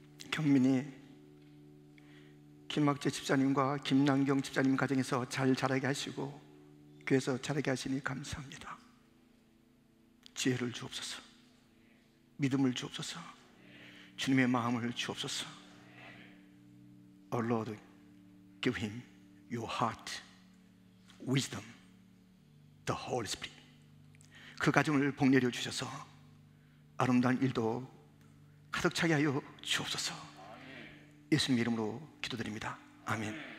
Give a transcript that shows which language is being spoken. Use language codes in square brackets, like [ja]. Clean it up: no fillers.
[ko] Kyung-min이 김학재 집사님과 김남경 집사님 가정에서 잘 자라게 하시고 교회에서 자라게 하시니 감사합니다. 지혜를 주옵소서. 믿음을 주옵소서. 주님의 마음을 주옵소서. [en] Our Lord, give him your heart, wisdom, the Holy Spirit. [ko] 그 가정을 복 내려 주셔서 아름다운 일도 가득 차게 하여 주옵소서. 예수님 이름으로 기도드립니다. 아멘.